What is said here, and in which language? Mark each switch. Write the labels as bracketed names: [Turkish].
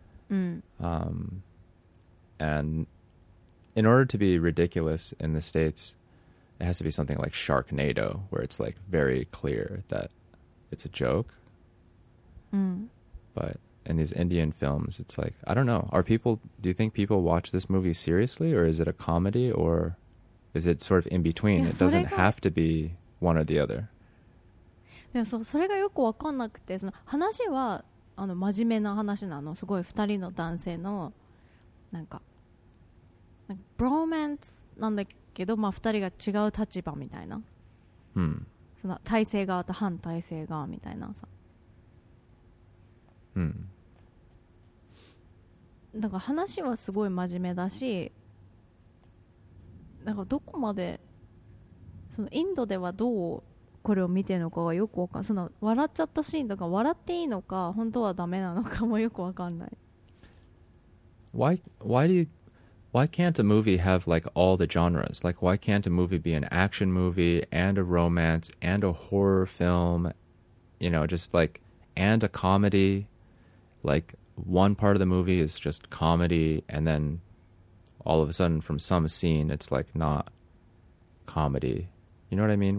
[English] Mm. And in order to be ridiculous in the States, it has to be something like Sharknado, where it's like very clear that it's a joke. Mm. But in these Indian films, it's like, I don't know. Are people, do you think people watch this movie seriously, or is it a comedy, or is it sort of in between? It doesn't have to be one or the other. [Japanese] でもそれがよくわかんなくて、その話はあの真面目な話なの。すごい二人の男性のなんかブローマンスなんだけど、まあ二人が違う立場みたいな。うん。その体制側と反体制側みたいなさ。うん。だから話はすごい真面目だし、なんかどこまでそのインドではどうこれを見てるのかがよくわかんない。その笑っちゃったシーンとか笑っていいのか本当はダメなのかもよくわかんない。 [English] Why can't a movie have like all the genres? Like why can't a movie be an action movie and a romance and a horror film? You know, just like and a comedy. Like one part of the movie is just comedy and then all of a sudden from some scene it's like not comedy. You know what I mean?